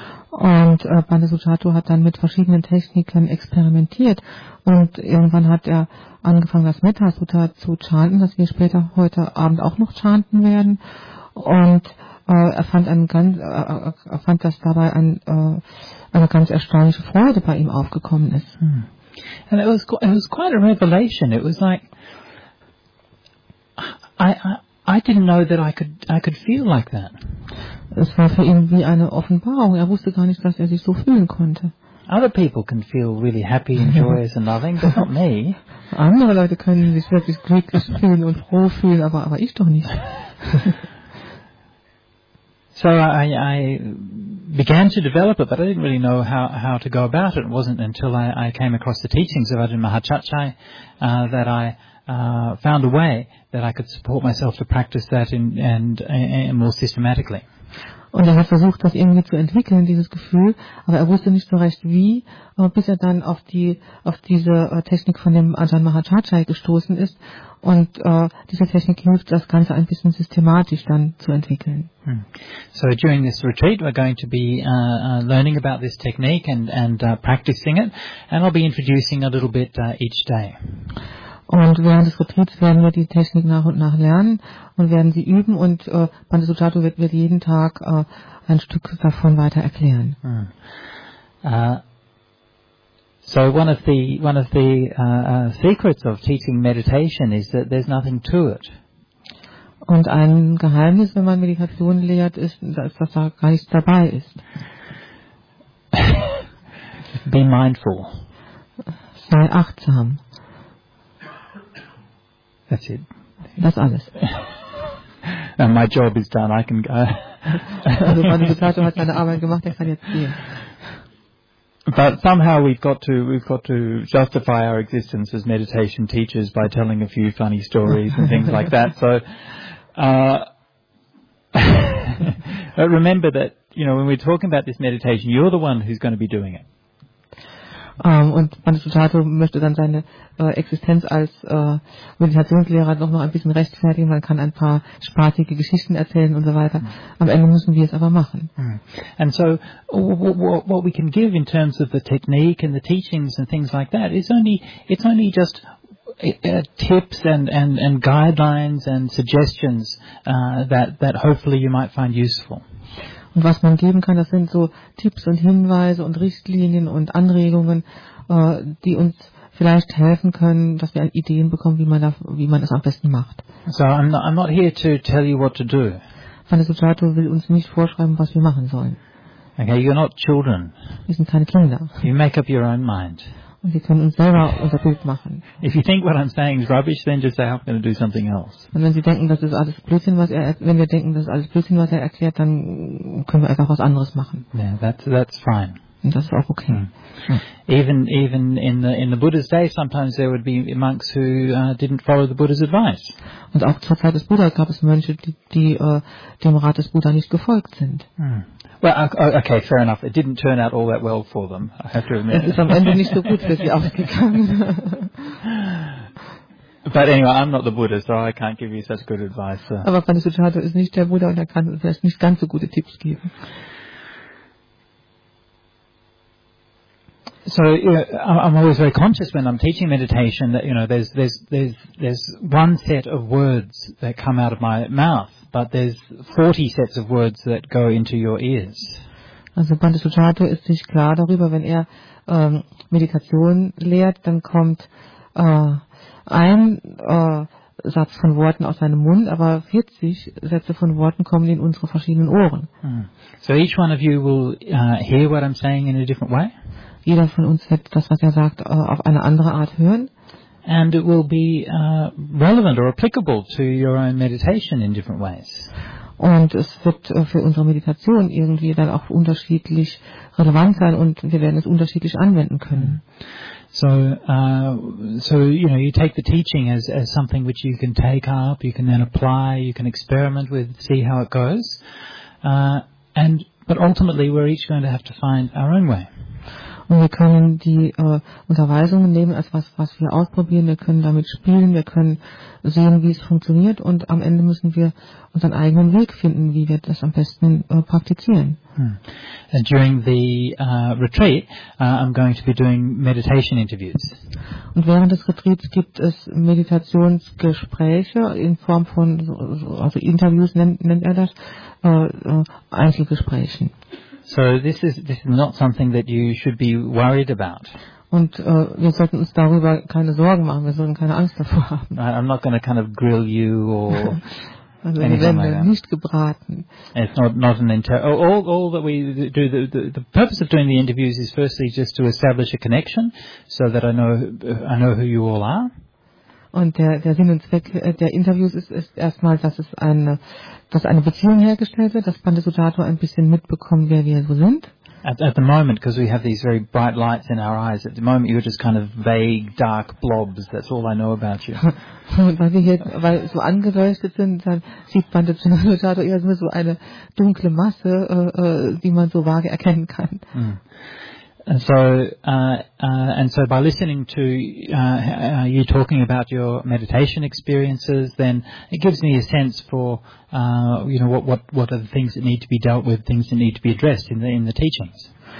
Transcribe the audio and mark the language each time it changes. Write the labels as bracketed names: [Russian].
[German] Und Bandhisattva hat dann mit verschiedenen Techniken experimentiert und irgendwann hat er angefangen, das Metta Sutta zu chanten, das wir später heute Abend auch noch chanten werden. Und er fand, dass dabei eine ganz erstaunliche Freude bei ihm aufgekommen ist. [English] And it was quite a revelation. It was like I didn't know that I could feel like that. [German] Es war für ihn wie eine Offenbarung. Er wusste gar nicht, dass er sich so fühlen konnte. [English] Other people can feel really happy and joyous and loving, but not me. [German] Andere Leute können sich wirklich glücklich fühlen und froh fühlen, aber ich doch nicht. [English] So I began to develop it, but I didn't really know how to go about it. It wasn't until I came across the teachings of Ajahn Mahachachai that I found a way that I could support myself to practice that and more systematically. [German] Und er hat versucht, das irgendwie zu entwickeln, dieses Gefühl, aber er wusste nicht so recht wie, bis er dann auf diese Technik von dem Ajahn Mahachachai gestoßen ist. Und diese Technik hilft, das Ganze ein bisschen systematisch dann zu entwickeln. [English] So during this retreat we're going to be learning about this technique and practicing it, and I'll be introducing a little bit each day. [German] Und während des Retreats werden wir die Technik nach und nach lernen und werden sie üben und Bandhisattva wird mir jeden Tag ein Stück davon weiter erklären. [English] So one of the secrets of teaching meditation is that there's nothing to it. [German] Und ein Geheimnis, wenn man Meditation lehrt, ist, dass da gar nichts dabei ist. [English] Be mindful. [German] Sei achtsam. [English] That's it. [German] Das alles. [English] And my job is done. I can go. [German] Also Bandhisattva hat seine Arbeit gemacht. Er kann jetzt gehen. [English] But somehow we've got to justify our existence as meditation teachers by telling a few funny stories and things like that. So but remember that, you know, when we're talking about this meditation, you're the one who's going to be doing it. [German] Und Bandhisattva möchte dann seine Existenz als Meditationslehrer noch ein bisschen rechtfertigen. Man kann ein paar spaßige Geschichten erzählen und so weiter. Am Ende müssen wir es aber machen. [English] And so what we can give in terms of the technique and the teachings and things like that is it's only just tips and guidelines and suggestions that hopefully you might find useful. [German] Und was man geben kann, das sind so Tipps und Hinweise und Richtlinien und Anregungen, die uns vielleicht helfen können, dass wir Ideen bekommen, wie man es am besten macht. [English] So I'm not here to tell you what to do. [German] Bandhisattva will uns nicht vorschreiben, was wir machen sollen. [English] Okay, you're not children. [German] Wir sind keine Kinder. [English] You make up your own mind. [German] Und wir können uns selber unser Bild machen. [English] If you think what I'm saying is rubbish, then just say I'm going to do something else. [German] Und wenn Sie denken, das ist alles Blödsinn, was er erklärt, dann können wir einfach was anderes machen. [English] Yeah, that's fine. [German] Und das ist auch okay. Mm. [English] Even in the Buddha's day, sometimes there would be monks who didn't follow the Buddha's advice. [German] Und auch zur Zeit des Buddha gab es Mönche, die dem Rat des Buddha nicht gefolgt sind. [English] Well, okay, fair enough. It didn't turn out all that well for them, I have to admit. [German] Es ist am Ende nicht so gut für sie ausgegangen. [English] But anyway, I'm not the Buddha, so I can't give you such good advice. [German] Aber Bandhisattva ist nicht der Buddha und er kann vielleicht nicht ganz so gute Tipps geben. [English] So I'm always very conscious when I'm teaching meditation that, you know, there's one set of words that come out of my mouth, but there's 40 sets of words that go into your ears. [German] Also Bandhisattva ist sich klar darüber, wenn er Meditation lehrt, dann kommt Satz von Worten aus seinem Mund, aber 40 Sätze von Worten kommen in unsere verschiedenen Ohren. [English] So each one of you will hear what I'm saying in a different way. [German] Jeder von uns wird das, was er sagt, auf eine andere Art hören. [English] And it will be relevant or applicable to your own meditation in different ways. [German] Und es wird für unsere Meditation irgendwie dann auch unterschiedlich relevant sein und wir werden es unterschiedlich anwenden können. [English] So you know, you take the teaching as something which you can take up, you can then apply, you can experiment with, see how it goes. But ultimately we're each going to have to find our own way. [German] Und wir können die Unterweisungen nehmen als was wir ausprobieren, wir können damit spielen, wir können sehen, wie es funktioniert und am Ende müssen wir unseren eigenen Weg finden, wie wir das am besten praktizieren. [English] And during the retreat, I'm going to be doing meditation interviews. [German] Und während des Retreats gibt es Meditationsgespräche in Form von, also Interviews nennt er das, Einzelgesprächen. [English] So this is not something that you should be worried about. [German] Und wir sollten uns darüber keine Sorgen machen, wir sollten keine Angst davor haben. [English] I'm not going to kind of grill you or also anything like that. [German] Wir werden nicht gebraten. [English] It's not an interview. All that we do, the purpose of doing the interviews is firstly just to establish a connection so that I know who you all are. [German] Und der Sinn und Zweck der Interviews ist erstmal, dass eine Beziehung hergestellt wird, dass Bandhisattva ein bisschen mitbekommt, wer wir so sind. [English] At the moment, because we have these very bright lights in our eyes, at the moment you're just kind of vague, dark blobs, that's all I know about you. [German] Weil wir hier so angeleuchtet sind, dann sieht Bandhisattva eher so eine dunkle Masse, die man so vage erkennen kann. [English] And so by listening to you talking about your meditation experiences, then it gives me a sense for you know what are the things that need to be dealt with, things that need to be addressed in the teachings.